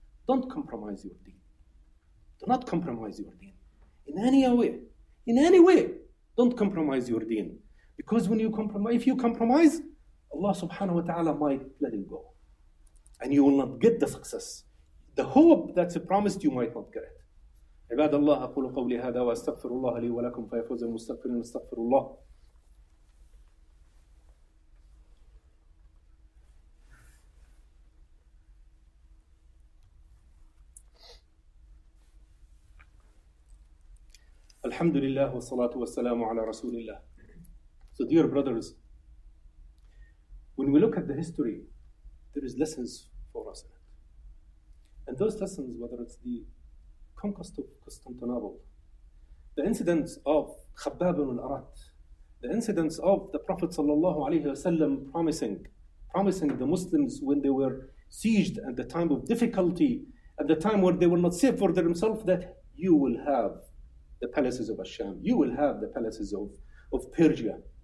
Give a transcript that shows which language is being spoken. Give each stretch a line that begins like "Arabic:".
English: Don't compromise your deen. Do not compromise your deen. In any way, don't compromise your deen. Because when you compromise, if you compromise, Allah subhanahu wa ta'ala might let you go. And you will not get the success. The hope that's promised, you might not get it.
Arabic: عباد الله أقول قولي هذا وأستغفر الله لي ولكم فيفوز المستغفرون استغفر الله. الحمد لله والصلاة والسلام على رسول الله.
English: So dear brothers, when we look at the history, there is lessons for us. And those lessons, whether it's the conquest of Constantinople, the incidents of Khabbab ibn al-Arat, the incidents of the Prophet sallallahu alayhi wa sallam promising the Muslims when they were sieged at the time of difficulty, at the time where they were not safe for themselves, that you will have the palaces of Asham, you will have the palaces of Persia.